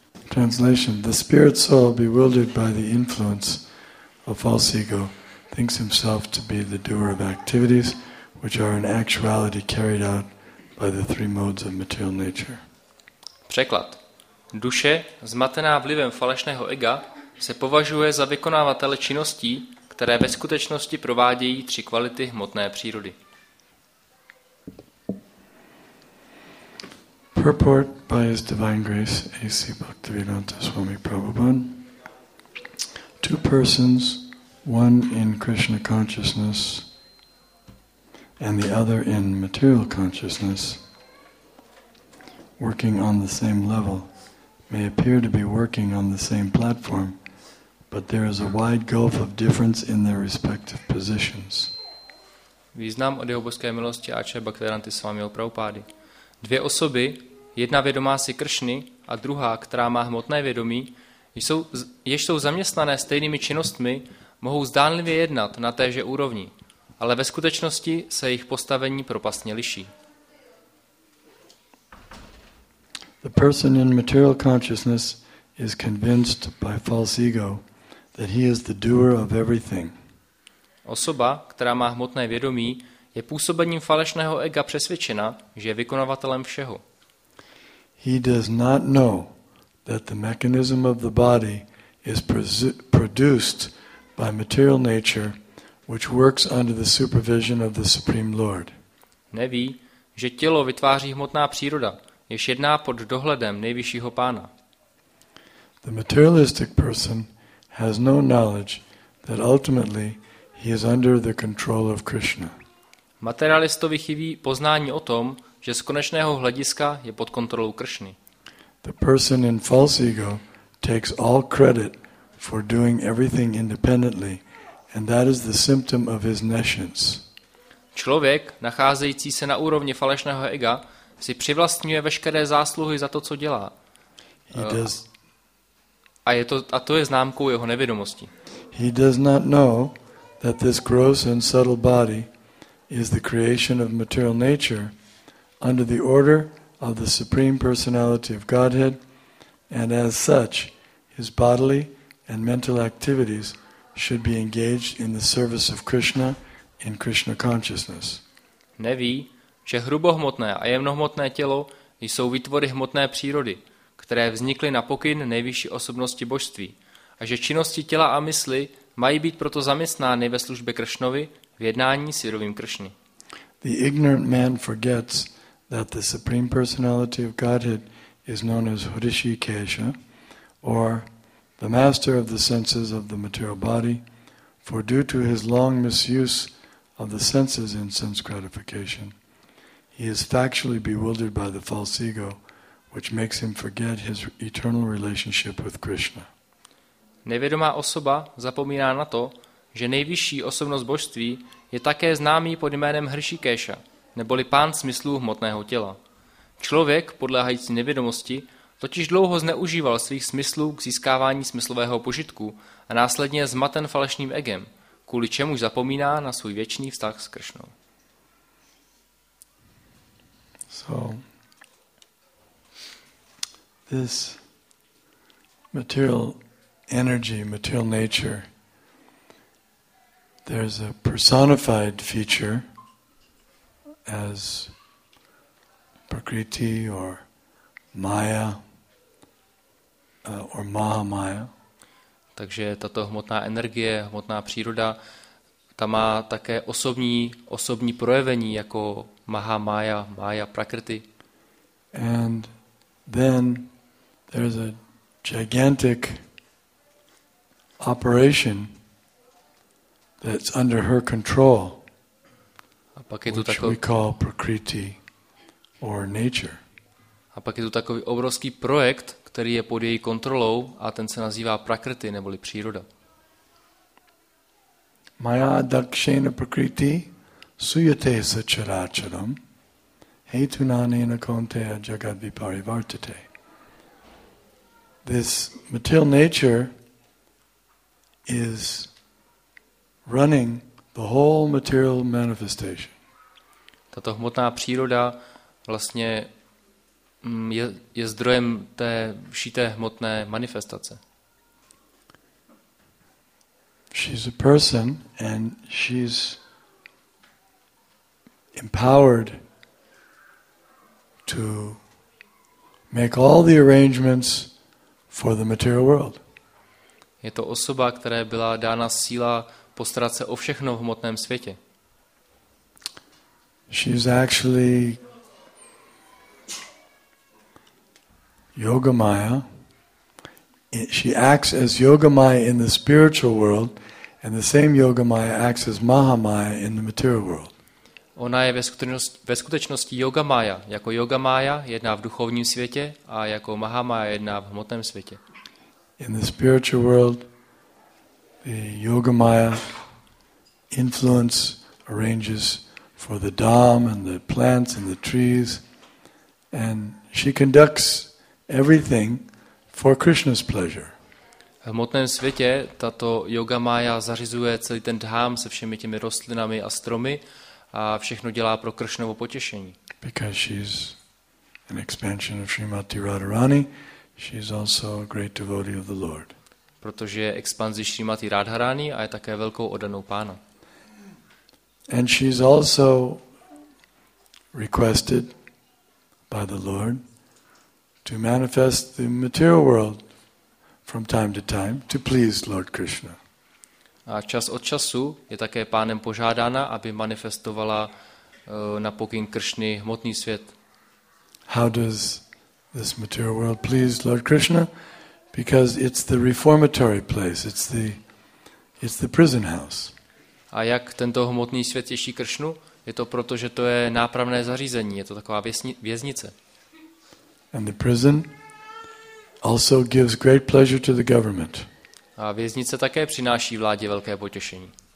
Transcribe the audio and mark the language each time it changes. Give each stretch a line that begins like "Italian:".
English: Translation: the spirit soul, bewildered by the influence of false ego, thinks himself to be the doer of activities which are in actuality carried out by the three modes of material nature.
Czech: Překlad: duše, zmatená vlivem falešného ega, se považuje za vykonávatele činností, které ve skutečnosti provádějí tři kvality hmotné přírody.
English: Purport by His Divine Grace A.C. Bhaktivedanta Swami Prabhupada. Two persons, one in Krishna consciousness and the other in material consciousness, working on the same level, may appear to be working on the same platform, but there is a wide gulf of difference in their respective positions.
Czech: Význam od jeho božské milosti A.C. Bhaktivedanty Swamiho Prabhupady. Dvě osoby, jedna vědomá si Kršny a druhá, která má hmotné vědomí, jež jsou zaměstnané stejnými činnostmi, mohou zdánlivě jednat na téže úrovni, ale ve skutečnosti se jejich postavení propastně liší.
English: The person in material consciousness is convinced by false ego that he is the doer of everything.
Czech: Osoba, která má hmotné vědomí, je působením falešného ega přesvědčena, že je vykonavatelem všeho.
English: He does not know that the mechanism of the body is produced by material nature, which works under the supervision of the Supreme Lord.
Czech: Neví, že tělo vytváří hmotná příroda, jež jedná pod dohledem nejvyššího pána.
English: The materialistic person has no knowledge that ultimately he is under the control of Krishna.
Czech: Materialistovi chybí poznání o tom, že z konečného hlediska je pod kontrolou Kršny.
English: The person in false ego takes all credit for doing everything independently, and that is the symptom of his nescience.
Czech: Člověk nacházející se na úrovni falešného ega si přivlastňuje veškeré zásluhy za to, co dělá. A to je známkou jeho nevědomosti.
English: He does not know that this gross and subtle body is the creation of material nature under the order of the Supreme Personality of Godhead, and as such, his bodily and mental activities should be engaged in the service of Krishna in Krishna consciousness.
Czech: Neví, že hrubohmotné a jemnohmotné tělo jsou výtvory hmotné přírody, které vznikly na pokyn nejvyšší osobnosti božství, a že činnosti těla a mysli mají být proto zaměstnány ve službě Kršnovi v jednání s vědomím Kršny.
English: The ignorant man forgets that the Supreme Personality of Godhead is known as Hrishikesha, or the master of the senses of the material body, for due to his long misuse of the senses in sense gratification, he is factually bewildered by the false ego, which makes him forget his eternal relationship with Krishna.
Czech: Nevědomá osoba zapomíná na to, že nejvyšší osobnost božství je také známý pod jménem Hrishikesha, neboli pán smyslů hmotného těla. Člověk, podléhající nevědomosti, totiž dlouho zneužíval svých smyslů k získávání smyslového požitku a následně zmaten falešným egem, kvůli čemuž zapomíná na svůj věčný vztah s Kršnou.
English: So, this material energy, material nature, there's a personified feature as Prakriti or Maya or Mahamaya.
Czech: Takže tato hmotná energie, hmotná příroda, ta má také osobní projevení jako Mahamaya, Maya Prakriti.
English: And then there's a gigantic operation that's under her control, which we call Prakriti or nature.
Czech: A pak je tu takový obrovský projekt, který je pod její kontrolou, a ten se nazývá Prakriti, neboli příroda.
Sanskrit: Maya dakshena prakriti suyate sacharacharam hetunanena kaunteya jagat viparivartate.
English: This material nature is running the whole material manifestation.
Czech: Tato hmotná příroda vlastně je zdrojem té všité hmotné manifestace.
English: She's a person and she's empowered to make all the arrangements for the material world.
Czech: Je to osoba, které byla dána síla postarat se o všechno v hmotném světě.
English: She's actually Yogamaya. She acts as Yogamaya in the spiritual world, and the same Yogamaya acts as Mahamaya in the material world.
Czech: Ona je ve skutečnosti Yogamaya, jako Yogamaya jedná v duchovním světě a jako Mahamaya jedná v hmotném světě.
English: In the spiritual world, the Yogamaya influence arranges for the dham and the plants and the trees, and she conducts everything for Krishna's pleasure.
Czech: V hmotném světě tato Yogamaya zařizuje celý ten dham se všemi těmi rostlinami a stromy a všechno dělá pro Krishnovo potěšení.
English: Because she's an expansion of Srimati Radharani, she's also a great devotee of the Lord.
Czech: Protože je expanzí Srimati Radharani a je také velkou oddanou pána.
English: And she's also requested by the Lord to manifest the material world from time to time to please Lord Krishna.
Czech: A čas od času je také pánem požádána, aby manifestovala na pokyn Krishny hmotný svět.
English: How does this material world please Lord Krishna? Because it's the reformatory place, it's the prison house.
Czech: A jak tento hmotný svět těší Kršnu? Je to proto, že to je nápravné zařízení, je to taková věznice.
English: And the prison also gives great pleasure to the government.
Czech: A věznice také přináší vládě velké potěšení.